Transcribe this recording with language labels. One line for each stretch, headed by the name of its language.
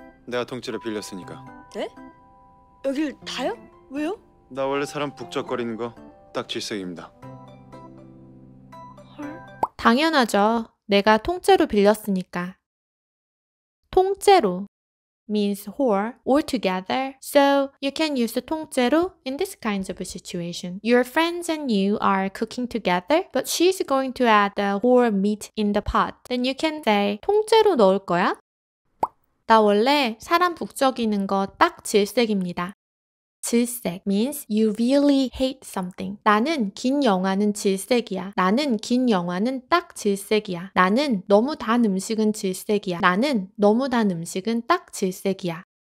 Korean: 내가 통째로 빌렸으니까. 네? 여길 다요? 왜요? 나 원래 사람 북적거리는 거 딱 질색입니다. 헐. 당연하죠. 내가 통째로 빌렸으니까.
English: 통째로 means whole, all together. So you can use 통째로 in this kind of a situation. Your friends and you are cooking together, but she's going to add the whole meat in the pot. Then you can say, 통째로 넣을 거야?
Korean: 나 원래 사람 북적이는 거 딱 질색입니다.
English: 질색 means you really hate something.
Korean: 나는 긴 영화는 질색이야. 나는 긴 영화는 딱 질색이야. 나는 너무 단 음식은 질색이야. 나는 너무 단 음식은 딱 질색이야.